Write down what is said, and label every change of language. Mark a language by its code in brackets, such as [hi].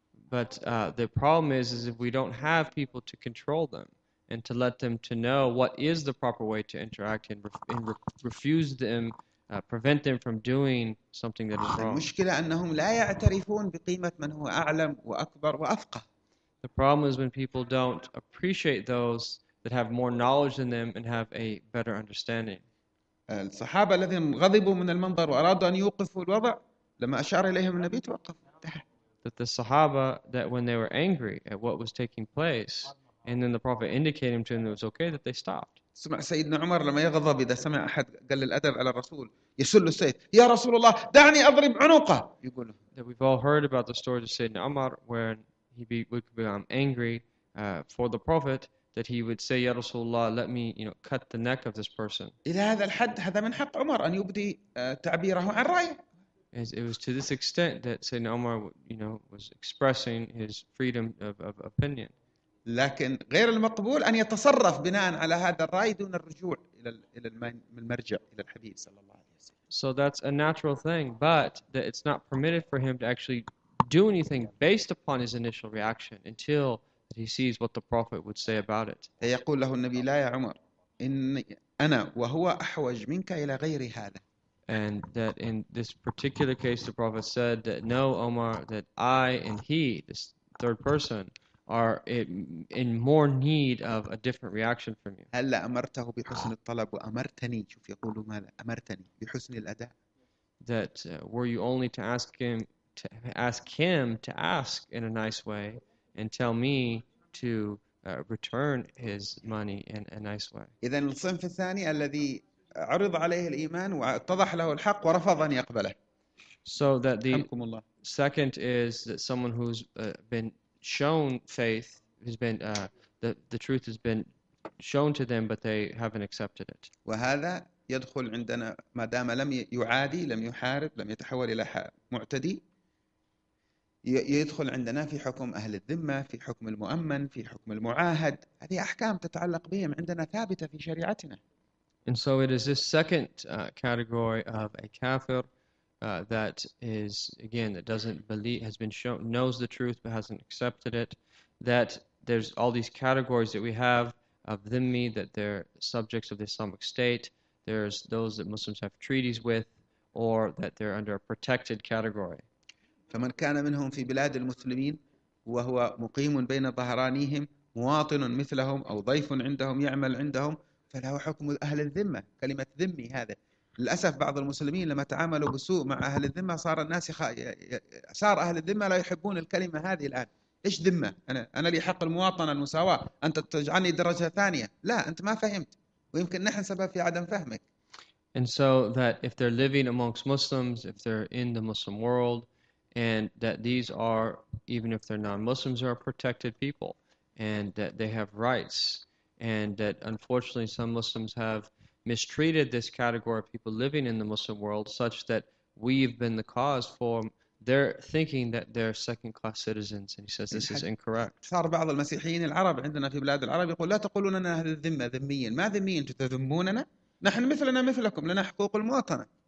[en] The problem is if we don't have people to control them and to let them to know what is the proper way to interact refuse them, prevent them from doing something that is wrong. [ar] المشكلة أنهم لا يعترفون بقيمة من هو أعلم وأكبر وأفقه. [en] The problem is when people don't appreciate those that have more knowledge than them and have a better understanding. [ar] الصحابة الذين غضبوا من المنظر وأرادوا أن يوقفوا الوضع لما أشار إليهم النبي توقف انتهى. [en] That the Sahaba, that when they were angry at what was taking place, and then the Prophet indicated to them that it was okay, that they stopped. [ar] سمع سيدنا عمر لما يغضب إذا سمع أحد قل الأدب على الرسول يسل السيف يا رسول الله دعني أضرب عنقه يقول. [en] That we've all heard about the story of Sayyidina Umar where he would become angry for the Prophet that he would say [ar] يا رسول الله [en] let me cut the neck of this person. [ar] إلى هذا الحد هذا من حق عمر أن يبدي تعبيره عن رأيه. [en] It was to this extent that Sayyidina Umar, was expressing his freedom of opinion. [ar] لكن غير المقبول أن يتصرف بناء على هذا الرأي دون الرجوع إلى المرجع إلى الحبيب صلى الله عليه وسلم. [en] So that's a natural thing, but that it's not permitted for him to actually do anything based upon his initial reaction until he sees what the Prophet would say about it. [ar] فيقول له النبي لا يا عمر إني أنا وهو أحوج منك إلى غير هذا. [en] And that in this particular case, the Prophet said that no, Omar, that I and he, this third person, are in more need of a different reaction from you. [ar] هل أمرته بحسن الطلب وأمرتني؟ شوف يقول ماذا؟ أمرتني بحسن الأداء. [en] That were you only to ask him to ask in a nice way and tell me to return his money in a nice way. [ar] إذن الصنف الثاني الذي عرض عليه الإيمان واتضح له الحق ورفض أن يقبله. [en] So that the second is that someone who's been shown faith has been the truth has been shown to them but they haven't accepted it. [ar] وهذا يدخل عندنا ما دام لم يعادي لم يحارب لم يتحول إلى معتدي يدخل عندنا في حكم أهل الذمة في حكم المؤمن في حكم المعاهد هذه أحكام تتعلق بهم عندنا ثابتة في شريعتنا. [en] And so it is this second category of a kafir that is, again, that doesn't believe, has been shown, knows the truth but hasn't accepted it, that there's all these categories that we have of dhimmi, that they're subjects of the Islamic State, there's those that Muslims have treaties with, or that they're under a protected category. [ar] فمن كان منهم في بلاد المسلمين وهو مقيم بين ظهرانيهم مواطن مثلهم أو ضيف عندهم يعمل عندهم فله حكم أهل الذمة كلمة ذمي هذا للأسف بعض المسلمين لما تعاملوا بسوء مع أهل الذمة صار الناس صار أهل الذمة لا يحبون الكلمة هذه الآن إيش ذمة أنا لي حق المواطنة المساواة أنت تجعلني درجة ثانية لا أنت ما فهمت ويمكن نحن سبب في عدم فهمك. [en] And so that if they're living amongst Muslims, if they're in the Muslim world, and that these are, even if they're non-Muslims, are protected people, and that they have rights, and that unfortunately some Muslims have mistreated this category of people living in the Muslim world such that we've been the cause for their thinking that they're second class citizens. And he says this is incorrect. [ar] صار بعض المسيحيين العرب عندنا في بلاد العرب يقول لا تقولون لنا أهل الذمة ذميين ما ذميين تذموننا نحن مثلنا مثلكم لنا حقوق المواطنة.